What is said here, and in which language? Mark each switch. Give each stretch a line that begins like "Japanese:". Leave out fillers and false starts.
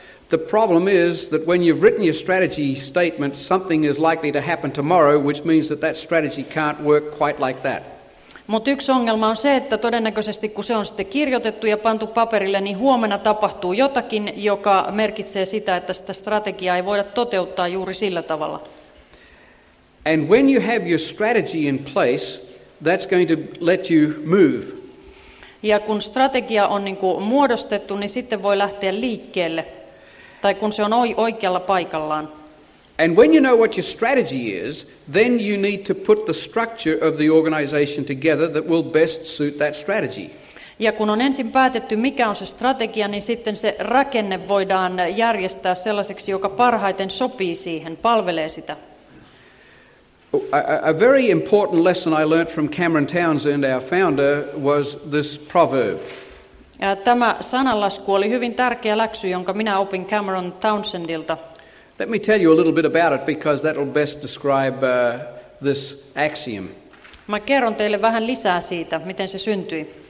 English: The problem is that when you've written your strategy statement, something is likely to happen tomorrow, which means that that strategy can't work quite like that.
Finnish: Mutta yksi ongelma on se, että todennäköisesti kun se on sitten kirjoitettu ja pantu paperille, niin huomenna tapahtuu jotakin, joka merkitsee sitä, että sitä strategiaa ei voida toteuttaa juuri sillä tavalla.
English: And when you have your strategy in place, that's going to let you move.
Finnish: Ja kun strategia on niin kuin muodostettu, niin sitten voi lähteä liikkeelle, tai kun se on oikealla paikallaan.
English: And when you know what your strategy is, then you need to put the structure of the organization together that will best suit that strategy.
Finnish: Ja kun on ensin päätetty, mikä on se strategia, niin sitten se rakenne voidaan järjestää sellaiseksi, joka parhaiten sopii siihen, palvelee sitä.
English: A very important lesson I learned from Cameron Townsend, our founder, was this proverb.
Finnish: Ja tämä sananlasku oli hyvin tärkeä läksy, jonka minä opin Cameron Townsendilta.
English: Let me tell you a little bit about it because that will best describe this axiom.
Finnish: Mä kerron teille vähän lisää siitä, miten se syntyi.